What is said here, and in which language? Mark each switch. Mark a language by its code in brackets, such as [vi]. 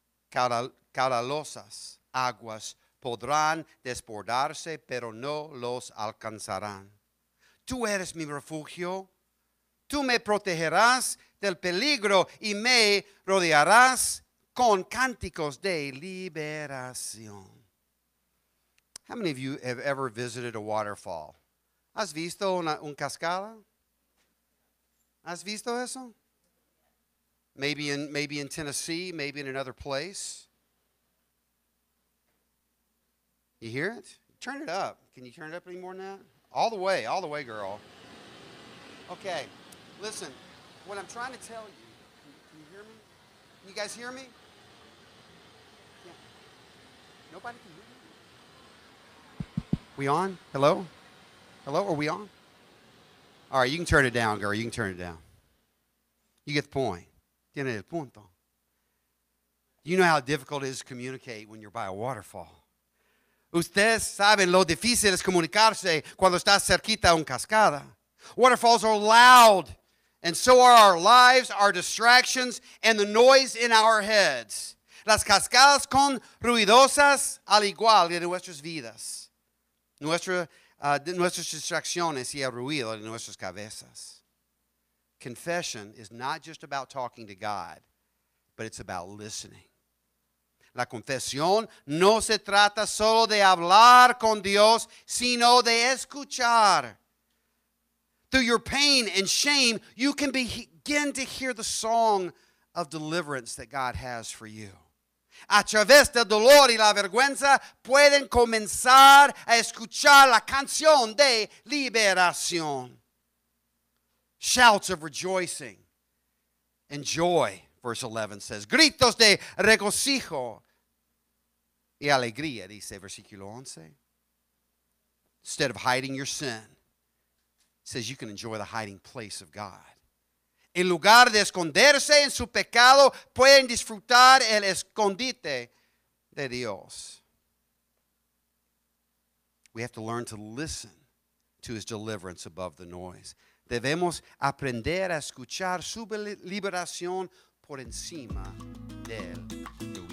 [es] Caudalosas aguas podrán desbordarse, pero no los alcanzarán. Tú eres mi refugio. Tú me protegerás del peligro y me rodearás con cánticos de liberación. [en] How many of you have ever visited a waterfall? [es] ¿Has visto un cascada? ¿Has visto eso? [en] Maybe in Tennessee, maybe in another place. You hear it? Turn it up. Can you turn it up any more than that? All the way, girl. Okay, listen. What I'm trying to tell you, can you hear me? Can you guys hear me? Nobody can hear me. We on? Hello? Hello? Are we on? All right, you can turn it down, girl. You can turn it down. You get the point. [es] Tiene el punto. [en] You know how difficult it is to communicate when you're by a waterfall. [es] Ustedes saben lo difícil es comunicarse cuando estás cerquita a un cascada. [en] Waterfalls are loud, and so are our lives, our distractions, and the noise in our heads. [es] Las cascadas son ruidosas al igual que nuestras vidas, nuestras distracciones y el ruido de nuestras cabezas. [en] Confession is not just about talking to God, but it's about listening. [es] La confesión no se trata solo de hablar con Dios, sino de escuchar. [en] Through your pain and shame, you can begin to hear the song of deliverance that God has for you. [es] A través del dolor y la vergüenza, pueden comenzar a escuchar la canción de liberación. [en] Shouts of rejoicing and joy, verse 11 says. [es] Gritos de regocijo y alegría, dice versículo 11. [en] Instead of hiding your sin, it says you can enjoy the hiding place of God. [es] En lugar de esconderse en su pecado, pueden disfrutar el escondite de Dios. [en] We have to learn to listen to his deliverance above the noise. [es] Debemos aprender a escuchar su liberación por encima del ruido.